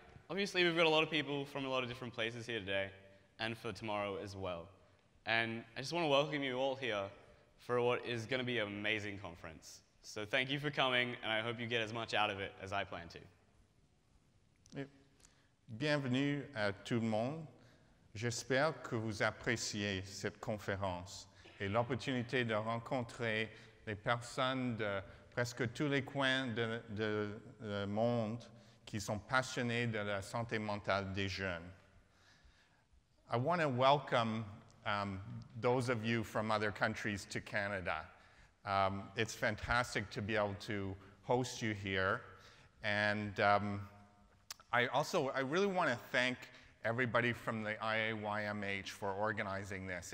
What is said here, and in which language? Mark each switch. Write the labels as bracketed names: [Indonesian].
[English] Obviously, we've got a lot of people from a lot of different places here today and for tomorrow as well. And I just want to welcome you all here for what is going to be an amazing conference. So thank you for coming, and I hope you get as much out of it as I plan to. [French] Bienvenue à tout le monde. J'espère que vous appréciez cette conférence et l'opportunité de rencontrer les personnes de presque tous les coins de monde qui sont passionnés de la santé mentale des jeunes. [English] I want to welcome those of you from other countries to Canada. It's fantastic to be able to host you here. And I really want to thank everybody from the IAYMH for organizing this.